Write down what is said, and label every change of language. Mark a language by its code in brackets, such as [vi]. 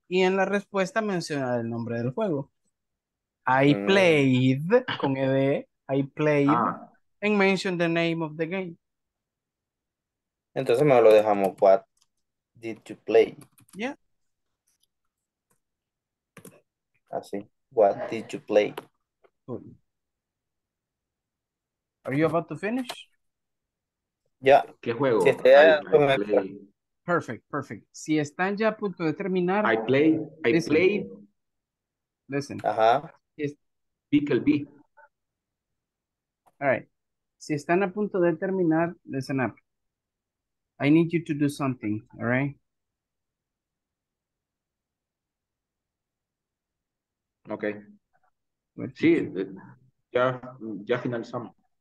[es] Y en la respuesta menciona el nombre del juego. [en] I played, con ED, I played, and mentioned the name of the game. [es] Entonces me lo dejamos, what did you play? [en] Yeah. Así, what did you play? Cool. Are you about to finish? Yeah. [es] ¿Qué juego? Si está ya, perfect, perfect. Si están ya a punto de terminar. [en] I play. Listen. I play. Listen. Ajá. Pickle B. All right. [es] Si están a punto de terminar, listen up. [en] I need you to do something, all right? [es] Okay. What sí, ya finalizamos.